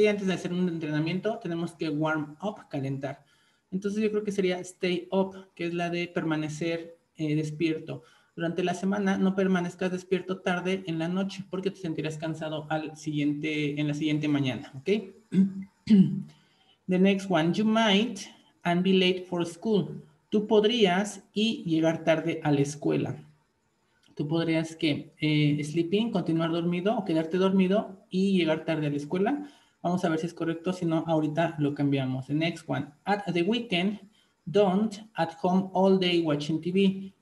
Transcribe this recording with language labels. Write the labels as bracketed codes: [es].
[es] Que antes de hacer un entrenamiento tenemos que [en] warm up, [es] calentar. Entonces yo creo que sería stay up, que es la de permanecer despierto. Durante la semana no permanezcas despierto tarde en la noche porque te sentirás cansado en la siguiente mañana, ¿ok? [en] The next one, you might and be late for school. [es] Tú podrías y llegar tarde a la escuela. Tú podrías que sleeping, continuar dormido o quedarte dormido y llegar tarde a la escuela. Vamos a ver si es correcto, si no, ahorita lo cambiamos. [en] The next one, at the weekend, don't at home all day watching TV.